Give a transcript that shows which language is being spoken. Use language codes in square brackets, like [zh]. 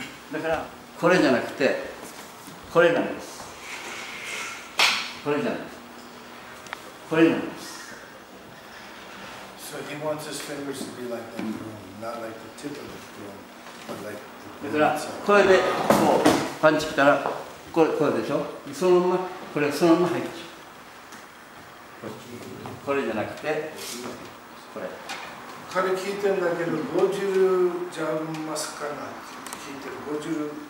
[ja] だから、これじゃなくて、これなんです。これじゃなくて、これなんです。 [en] So he wants his fingers to be like the broom, not like the tip of the broom, but like the [ja] broom. だから、これでこうパンチ来たら、これでしょ。そのまま、これそのまま入っちゃう。これじゃなくて、これ。彼聞いてんだけど、ゴジュジャンマスカナって聞いてる、ゴジュ。